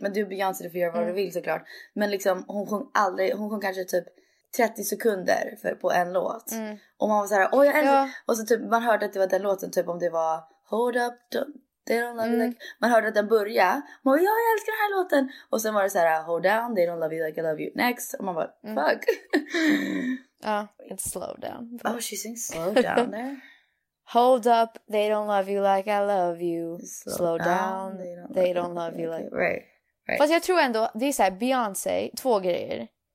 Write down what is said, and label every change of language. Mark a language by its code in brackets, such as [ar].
[sv] Men du är Beyoncé, du får göra vad du vill såklart. Men liksom, hon sjung aldrig... Hon sjung kanske typ 30 sekunder på en låt. Mm. Och man var så här, åh jag älskar... Ja. Och så typ, man hörde att det var den låten typ om det var Hold Up... [en] They don't love you like... [sv] Man hörde att den började. Man bara, ja, jag älskar den här låten. Och sen var det så här, [en] hold down, they don't love you like I love you. [sv] Next. Och man bara, fuck. [en] Ja, it's slow down. But... Oh, she sings slow down there. Hold up, they don't love you like I love you. Slow down, they don't love you like... Right. [sv] Fast jag tror ändå, det är så här, Beyoncé, två grejer.